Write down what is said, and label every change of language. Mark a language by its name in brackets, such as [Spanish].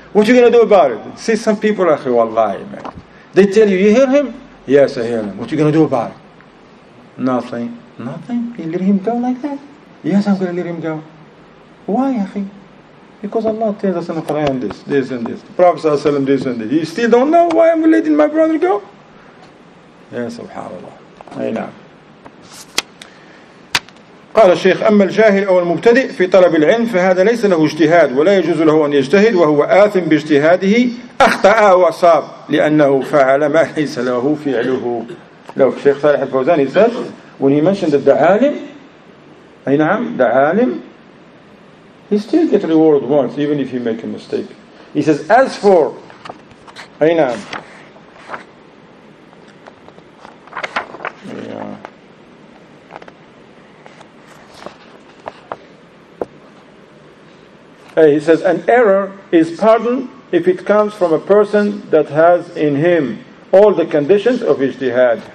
[English] What are you going to do about it? See, some people are wallahi, man. They tell you, you hear him? Yes, I hear him. What are you going to do about it? Nothing. Nothing? You let him go like that? Yes, I'm going to let him go. Why, akhi? Because Allah tells us in the Quran this, this and this. The Prophet ﷺ this and this. You still don't know why I'm letting my brother go? Yes, subhanAllah. Amen. [Arabic] قال الشيخ أما الجاهل أو المبتدئ في طلب العلم فهذا ليس له اجتهاد ولا يجوز له أن يجتهد وهو آثم باجتهاده أخطأ وأصاب لأنه فعل ما ليس له فعله. [English] لو الشيخ صالح الفوزان says when he mentioned that the عالم, [Arabic] أي نعم [English] the عالم, he still get reward once even if he make a mistake. He says as for, [Arabic] أي نعم, [English] he says, an error is pardoned if it comes from a person that has in him all the conditions of ijtihad.